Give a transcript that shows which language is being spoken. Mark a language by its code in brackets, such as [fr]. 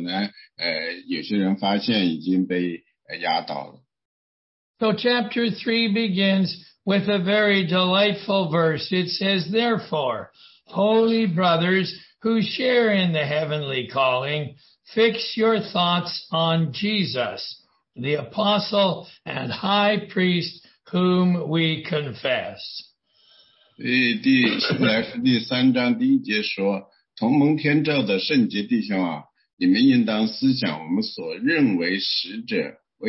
[zh] 实际上呢，今天呢，我们就学习这本书的时候呢，我们不会寻求去那些很深刻的道理在里面，我们只是说把这些表面上的一些道理来学习，学习这样我们可以从中得到益处。如果我们走得太深的话呢，有可能有些人发现已经被 压倒了。 [en] So chapter 3 begins with a very delightful verse. It says, therefore, holy brothers who share in the heavenly calling, fix your thoughts on Jesus, the apostle and high priest whom we confess. [zh] 第三章第一节说，同蒙天召的圣洁弟兄啊，你们应当思想我们所认为使者